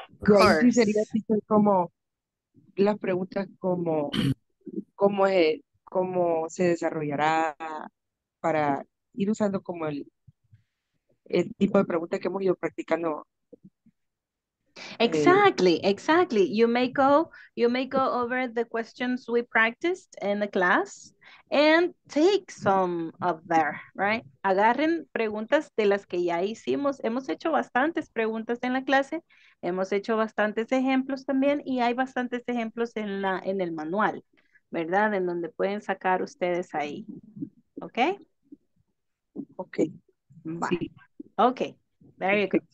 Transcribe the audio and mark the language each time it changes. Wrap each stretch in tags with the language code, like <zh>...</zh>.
<en>Course.</en> <es>Sería como las preguntas como cómo se desarrollará para ir usando como el tipo de preguntas que hemos ido practicando.</es> <en>Exactly, exactly. You may go over the questions we practiced in the class and take some of there, right?</en> <es>Agarren preguntas de las que ya hicimos. Hemos hecho bastantes preguntas en la clase, hemos hecho bastantes ejemplos también y hay bastantes ejemplos en el manual, ¿verdad? En donde pueden sacar ustedes ahí. ¿Okay?</es> <en>Okay. Bye. Sí. Okay. Very good.</en>